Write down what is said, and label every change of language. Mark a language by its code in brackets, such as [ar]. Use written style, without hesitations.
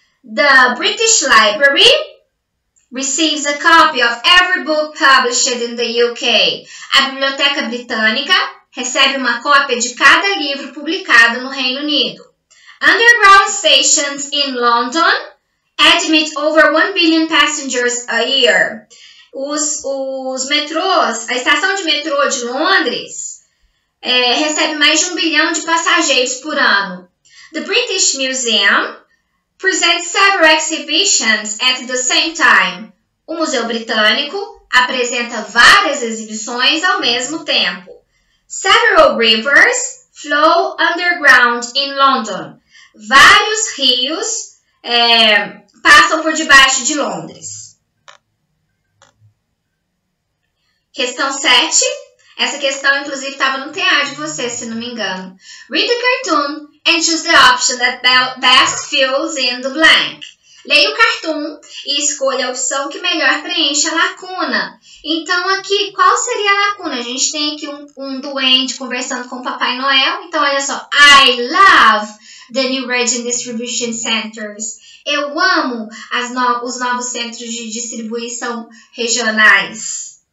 [en] The British Library receives a copy of every book published in the UK. [pt] A Biblioteca Britânica recebe uma cópia de cada livro publicado no Reino Unido. [en] Underground stations in London admit over 1 billion passengers a year. [pt] Os metrôs, a estação de metrô de Londres, recebe mais de 1 bilhão de passageiros por ano. [en] The British Museum presents several exhibitions at the same time. [pt] O Museu Britânico apresenta várias exibições ao mesmo tempo. [en] Several rivers flow underground in London. [pt] Vários rios passam por debaixo de Londres. Questão 7. Essa questão, inclusive, estava no TA de vocês, se não me engano. [en] Read the cartoon and choose the option that best fills in the blank. [pt] Leia o cartoon e escolha a opção que melhor preenche a lacuna. Então, aqui, qual seria a lacuna? A gente tem aqui um duende conversando com o Papai Noel. Então, olha só. [en] I love the new region distribution centers. [pt] Eu amo os novos centros de distribuição regionais.